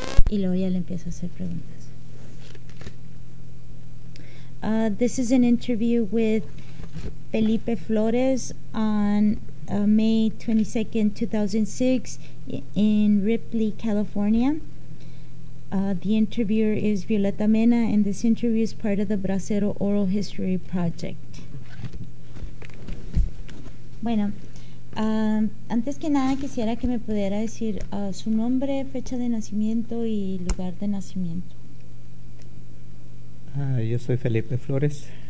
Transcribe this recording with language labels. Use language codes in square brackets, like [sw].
[es] Y luego ya le empiezo a hacer preguntas. [en] This is an interview with Felipe Flores on May 22nd, 2006 in Ripley, California. The interviewer is Violeta Mena, and this interview is part of the Bracero Oral History Project. [es] Bueno, antes que nada quisiera que me pudiera decir su nombre, fecha de nacimiento y lugar de nacimiento. Yo soy Felipe Flores.